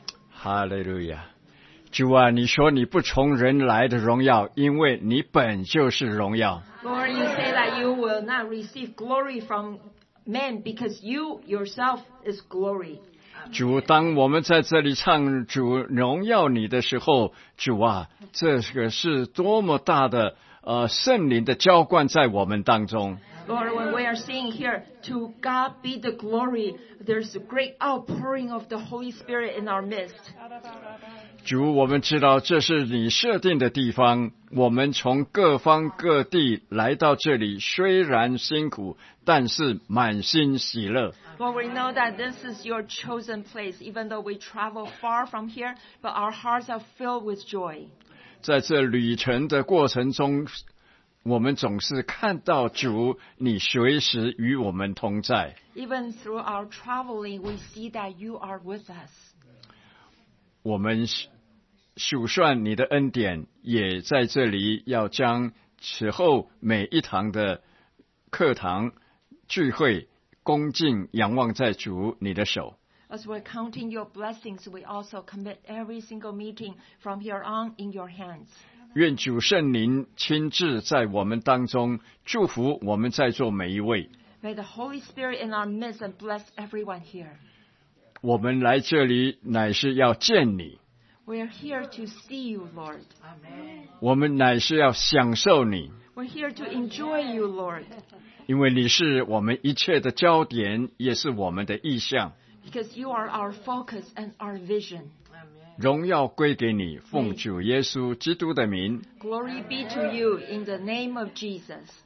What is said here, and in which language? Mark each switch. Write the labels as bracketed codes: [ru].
[zh] 哈利路亚，主啊，你说你不从人来的荣耀，因为你本就是荣耀。 [en] Lord, you say that you will not receive glory from men because you yourself is glory. [zh] 主，当我们在这里唱主荣耀你的时候，主啊，这个是多么大的圣灵的浇灌在我们当中。 [en] Lord, when we are singing here, to God be the glory, there's a great outpouring of the Holy Spirit in our midst. [zh] 主，我们知道这是你设定的地方，我们从各方各地来到这里，虽然辛苦，但是满心喜乐。 [en] Lord, we know that this is your chosen place, even though we travel far from here, but our hearts are filled with joy. [zh] 在这旅程的过程中，我们总是看到主，你随时与我们同在。 [en] Even through our traveling, we see that you are with us. [zh] 我们数算你的恩典，也在这里要将此后每一堂的课堂聚会恭敬仰望在主你的手。 [en] As we're counting your blessings, we also commit every single meeting from here on in your hands. [zh] 愿主圣灵亲自在我们当中祝福我们在座每一位。 [en] May the Holy Spirit in our midst and bless everyone here. [zh] 我们来这里乃是要见你。 [en] We're here to see you, Lord. Amen. [zh] 我们乃是要享受你。 [en] We're here to enjoy you, Lord. [zh] 因为你是我们一切的焦点，也是我们的意向。 [en] Because you are our focus and our vision. [zh] 荣耀归给你，奉主耶稣基督的名。 [en] Glory be to you in the name of Jesus.